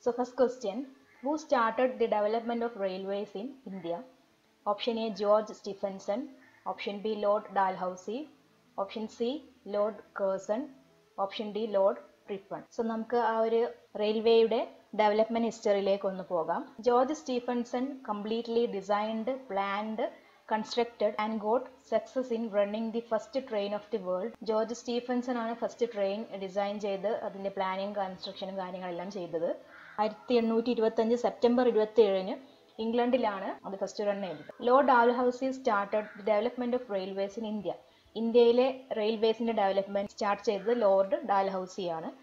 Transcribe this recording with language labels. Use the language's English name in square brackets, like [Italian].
[English] So first question, who started the development of railways in India? Option A George Stephenson, option B Lord Dalhousie, option C Lord Curzon, option D Lord Ripon. [Malayalam] So നമുക്ക് ആ ഒരു റെയിൽവേയുടെ development ഹിസ്റ്ററിയിലേക്ക് ഒന്ന് പോകാം. [English] George Stephenson completely designed, planned, constructed and got success in running the first train of the world. [Malayalam] George Stephenson ആണ് first train design ചെയ്ത് അതിൻ്റെ planning കൺസ്ട്രക്ഷനും കാര്യങ്ങളെല്ലാം ചെയ്തത്. 1825 സെപ്റ്റംബർ 27 ഇംഗ്ലണ്ടിലാണ് അത് ഫസ്റ്റ് റൺ ചെയ്തത്. [English] Lord Dalhousie started the development of railways in India. [Malayalam] ഇന്ത്യയിലെ റെയിൽവേസിന്റെ development start ചെയ്തത് Lord ഡാൽഹൌസി ആണ്.